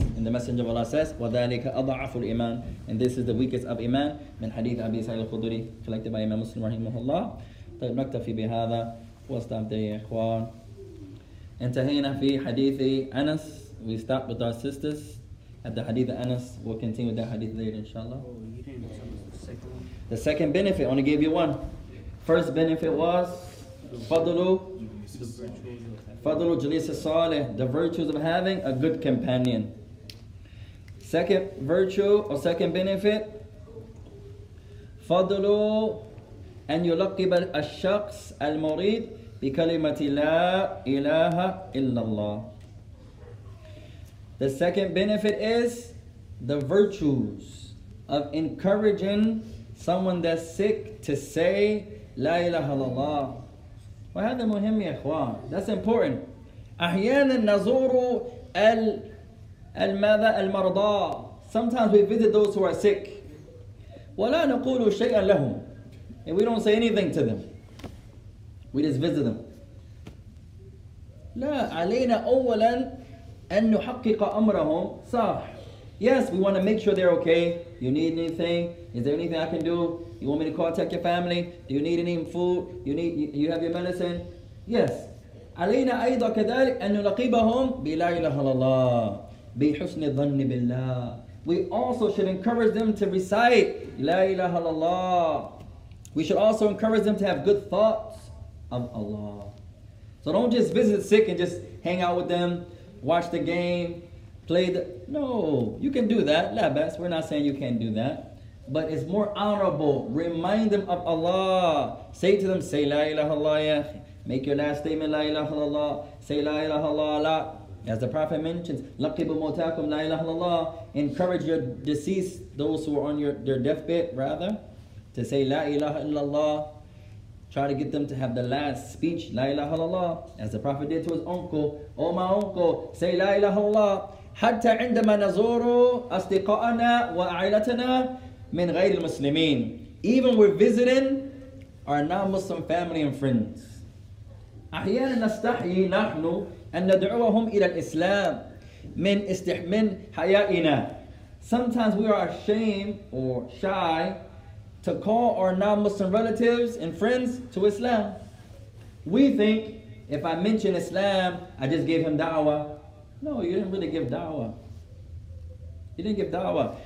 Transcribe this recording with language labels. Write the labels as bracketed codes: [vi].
[en] And the Messenger of Allah says, [ar] وَذَلِكَ أَضَعَفُ الْإِمَانِ. [en] And this is the weakest of iman. [ar] من حديث أبي سعيد الخدري [en] collected by Imam Muslim [ar] رحمه الله. طيب نكتفي بهذا واستمتعي يا إخوان. انتهينا في حديث أنس. [en] We stopped with our sisters at the hadith of Anas. We'll continue with that hadith later, inshallah. Oh, you didn't tell us the second benefit. I only gave you one. First benefit was Fadlu Jalis Salih, the virtues of having a good companion. Second virtue or second benefit, [ar] Fadlu أن يلقب الشخص المريض بكلمة لا إله إلا الله. [en] The second benefit is the virtues of encouraging someone that's sick to say لا إله إلا الله. [ar] وهذا مهم يا إخوان. [en] That's important. [ar] أحيانا نزور الماذا المرضى. [en] Sometimes we visit those who are sick. [ar] ولا نقول شيئا لهم. [en] And we don't say anything to them. We just visit them. [ar] لا علينا أولا أن نحقق أمرهم صح. [en] Yes, we want to make sure they're okay. You need anything? Is there anything I can do? You want me to contact your family? Do you need any food? You have your medicine? Yes. [ar] علينا أيضا كذلك أن نلقبهم بلا إله إلا الله بحسن الظن بالله. [en] We also should encourage them to recite لا إله إلا الله. We should also encourage them to have good thoughts of Allah. So don't just visit the sick and just hang out with them, watch the game, play the... No, you can do that. [ar] لا بس. [en] We're not saying you can't do that. But it's more honorable. Remind them of Allah. Say to them, say لا إله إلا الله. Make your last statement, لا إله إلا الله. Say لا إله إلا الله. As the Prophet mentions, [ar] لَقِبُ مَوْتَاكُمْ لَا إِلَهَ اللَّهُ. [en] Encourage your deceased, those who are on their deathbed, rather, to say لا إله إلا الله. Try to get them to have the last speech, لا إله إلا الله. As the Prophet did to his uncle, oh my uncle, say لا إله إلا الله. [ar] حَتَّى عِنْدَمَا نَزُورُ أَصْدِقَاءَنَا وَأَعِلَتَنَا مِنْ غَيْرِ الْمُسْلِمِينَ. [en] Even we're visiting our non-Muslim family and friends. [ar] أَحْيَانَ نَسْتَحْيِي نَحْنُ أن ندعوهم إلى الإسلام من استحمن حيائنا. [en] Sometimes we are ashamed or shy to call our non-Muslim relatives and friends to Islam. We think if I mention Islam, I just gave him da'wah. No, you didn't really give da'wah. You didn't give da'wah.